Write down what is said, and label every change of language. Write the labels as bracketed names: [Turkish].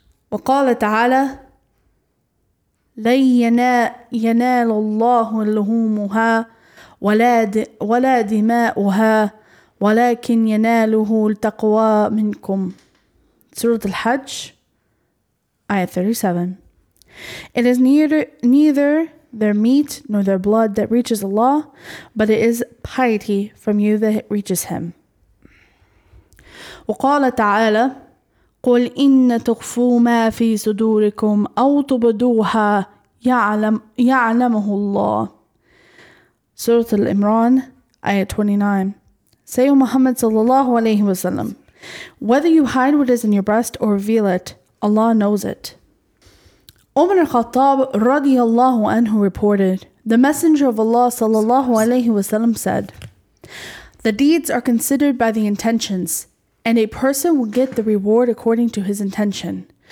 [Arabic] وَقَالَ تَعَالَى لَيَنَالُ اللَّهُ لُهُمُهَا وَلَا دِمَاؤُهَا وَلَكِنْ يَنَالُهُ الْتَقْوَى مِنْكُمْ. [English] Surah Al-Hajj, Ayah 37. It is neither their meat nor their blood that reaches Allah, but it is piety from you that it reaches Him. [Arabic] وقال تعالى قل إن تخفوا ما في صدوركم أو تبدوها يعلمه الله. [English] Surah Al-Imran, Ayah 29. Say, O Muhammad sallallahu alayhi wa sallam, whether you hide what is in your breast or reveal it, Allah knows it. Umar al-Khattab radiallahu anhu reported, the Messenger of Allah sallallahu alayhi wa sallam said, the deeds are considered by the intentions, and a person will get the reward according to his intention.